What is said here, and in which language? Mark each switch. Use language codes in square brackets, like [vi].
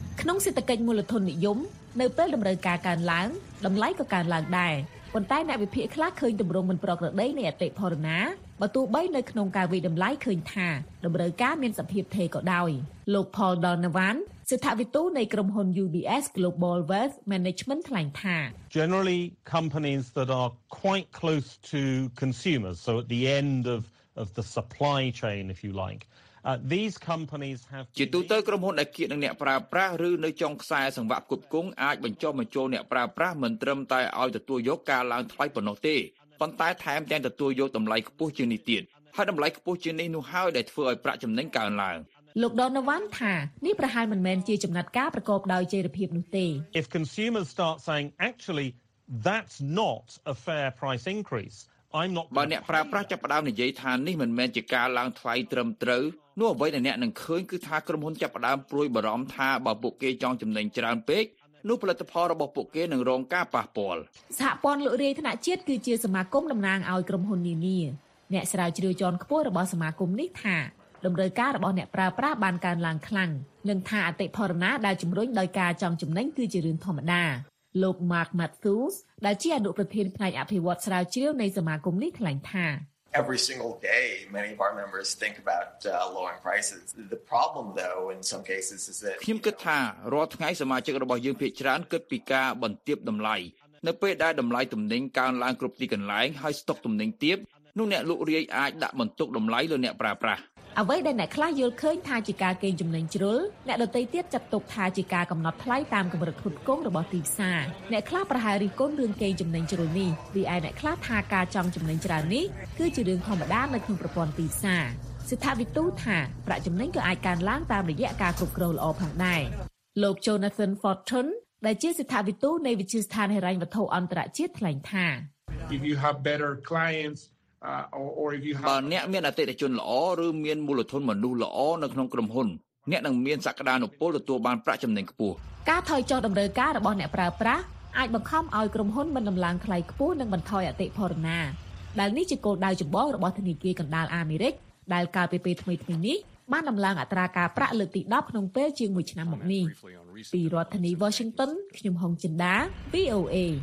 [km] ក្នុងសេដ្ឋកិច្ចមូលធននិយមនៅពេលតម្រូវការកើនឡើងតម្លៃក៏កើនឡើងដែរប៉ុន្តែអ្នកវិភាគខ្លះឃើញទម្រង់មិនប្រក្រតីនៃអតិផរណាបើទោះបីនៅក្នុងការវិនិច្ឆ័យតម្លៃឃើញថាតម្រូវការមានសភាពថេរក៏ដោយលោក Paul Donovan ស្ថាបនិកនៃក្រុមហ៊ុន UBS Global Wealth Management ថ្លែងថា [en] Generally companies that are quite close to consumers so at the end of the supply chain if you like these companies have [km] ជាទូទៅក្រុមហ៊ុនដែលគៀកនឹងអ្នកប្រើប្រាស់ឬនៅចុងខ្សែសង្វាក់ផ្គត់ផ្គង់អាចបញ្ចុះបញ្ចូលអ្នកប្រើប្រាស់មិនត្រឹមតែឲ្យទទួលយកការឡើងថ្លៃប៉ុណ្ណោះទេប៉ុន្តែថែមទាំងទទួលយកតម្លៃខ្ពស់ជាងនេះទៀតហើយតម្លៃខ្ពស់ជាងនេះនោះហើយដែលធ្វើឲ្យប្រាក់ចំណេញកើនឡើង លោក Donovan ថានេះប្រហែលមិនមែនជាចំណាត់ការប្រកបដោយចីរភាពនោះទេ [en] If consumers start saying actually that's not a fair price increase I'm not [km] បើអ្នកប្រើប្រាស់ចាប់ផ្ដើមនិយាយថានេះមិនមែនជាការឡើងថ្លៃត្រឹមត្រូវនោះអ្វីដែលអ្នកនឹងឃើញគឺថាក្រុមហ៊ុនចាប់ផ្ដើមព្រួយបារម្ភថាបើពួកគេចង់ចំណេញច្រើនពេកនោះផលិតផលរបស់ពួកគេនឹងរងការប៉ះពាល់សហព័ន្ធលោករាយថ្នាក់ជាតិគឺជាសមាគមតំណាងឲ្យក្រុមហ៊ុននានាអ្នកស្រាវជ្រាវជាន់ខ្ពស់របស់សមាគមនេះថាតម្រូវការរបស់អ្នកប្រើប្រាស់បានកើនឡើងខ្លាំងនឹងថាអតិផរណាដែលជំរុញដោយការចង់ចំណេញគឺជារឿងធម្មតាលោក Mark Matthews ដែលជាអនុប្រធានផ្នែកអភិវឌ្ឍស្រាវជ្រាវនៃសមាគមនេះថ្លែងថា [en] Every single day many of our members think about lowering prices the problem though in some cases is that [km] ខ្ញុំគិតថារាល់ថ្ងៃសមាជិករបស់យើងភាគច្រើនគិតពីការបន្ទាបតម្លៃនៅពេលដែលតម្លៃទំនិញកើនឡើងគ្រប់ទីកន្លែងហើយស្តុកទំនិញទាបនោះអ្នកលក់រាយអាចដាក់បន្ទុកតម្លៃលើអ្នកប្រើប្រាស់ អ្វីដែលអ្នកខ្លះយល់ឃើញថាជាការកេងចំណេញជ្រុលអ្នកដទៃទៀតចាត់ទុកថាជាការកំណត់ថ្លៃតាមកម្រិតផ្គត់ផ្គង់របស់ទីផ្សារអ្នកខ្លះប្រហែលរិះគន់រឿងកេងចំណេញជ្រុលនេះវាឯអ្នកខ្លះថាការចង់ចំណេញច្រើននេះគឺជារឿងធម្មតានៅក្នុងប្រព័ន្ធទីផ្សារស្ថាបនិកទូថាប្រាក់ចំណេញក៏អាចកើនឡើងតាមរយៈការគ្រប់គ្រងល្អផងដែរលោក Jonathan Fortune ដែលជាស្ថាបនិកទូនៃវិទ្យាស្ថានហិរញ្ញវត្ថុអន្តរជាតិថ្លែងថា [en] If you have better clients or if you have [km] បើអ្នកមានអតិថិជនល្អឬមានមូលធនមនុស្សល្អនៅក្នុងក្រុមហ៊ុន អ្នកនឹងមានសក្តានុពលទទួលបានប្រាក់ចំណេញខ្ពស់ការថយចុះតម្រូវការរបស់អ្នកប្រើប្រាស់អាចបង្ខំឲ្យក្រុមហ៊ុនមិនដំឡើងថ្លៃខ្ពស់និងបន្ថយអតិផរណាដែលនេះជាគោលដៅចម្បងរបស់ធនាគារកណ្ដាលអាមេរិកដែលកាលពីពេលថ្មីៗនេះបានដំឡើងអត្រាការប្រាក់លើកទី10ក្នុងពេលជាង1ឆ្នាំមកនេះទីរដ្ឋធានី Washington ខ្ញុំហុងចិនដា VOA